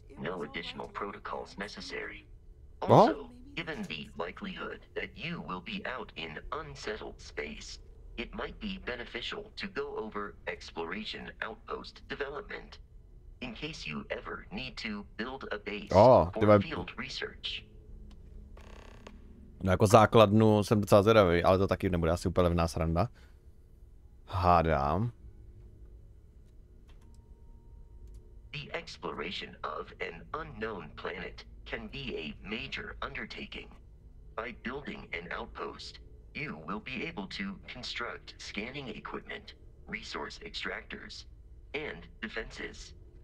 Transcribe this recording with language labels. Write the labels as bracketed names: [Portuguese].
[English] No additional protocols necessary. Also, given the likelihood that you will be out in unsettled space, it might be beneficial to go over exploration outpost development in case you ever need to build a base for field research. [Czech] No jako základnu jsem docela zvědavý, ale to taky nebude asi úplně levná sranda. Hádám. [English] The exploration of an unknown planet can be a major undertaking. By building an outpost, you will be able to construct scanning equipment, resource extractors, and defenses.